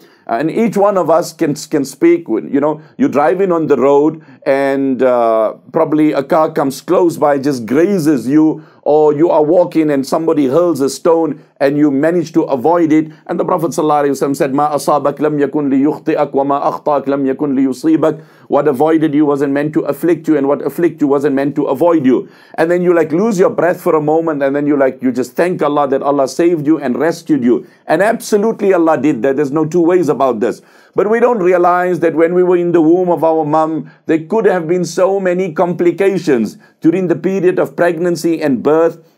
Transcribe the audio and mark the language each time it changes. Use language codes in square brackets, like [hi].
[en] And each one of us can speak, you know, you're driving on the road and probably a car comes close by, just grazes you, or you are walking and somebody hurls a stone and you manage to avoid it. And the Prophet ﷺ said, [ar] مَا أَصَابَكْ لَمْ يَكُنْ لِيُخْطِئَكْ وَمَا أَخْطَاكْ لَمْ يَكُنْ لِيُصِيبَكْ. [en] What avoided you wasn't meant to afflict you, and what afflict you wasn't meant to avoid you. And then you like lose your breath for a moment, and then you like, you just thank Allah that Allah saved you and rescued you. And absolutely Allah did that. There's no two ways about this. But we don't realize that when we were in the womb of our mom, there could have been so many complications during the period of pregnancy and birth.